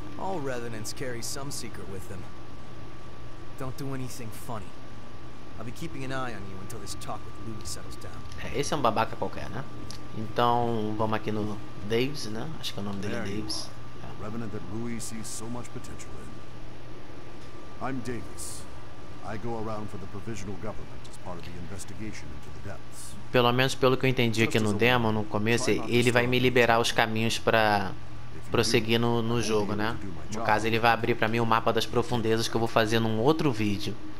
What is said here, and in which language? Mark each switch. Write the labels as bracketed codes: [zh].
[en] All revenants carry some secret with them. Don't do anything funny. I'll be keeping an eye on you until this talk with Louis settles down. [pt] É, esse é um babaca qualquer, né? Então, vamos aqui no Davis, né? Acho que é o nome dele é Davis. [en] Revenant that Louis sees so much potential in. I'm Davis. I go around for the provisional government as part of the investigation into the depths. [pt] Pelo menos pelo que eu entendi aqui no demo, no começo, ele vai me liberar os caminhos para prosseguir no jogo, né? No caso, ele vai abrir para mim o mapa das profundezas que eu vou fazer num outro vídeo.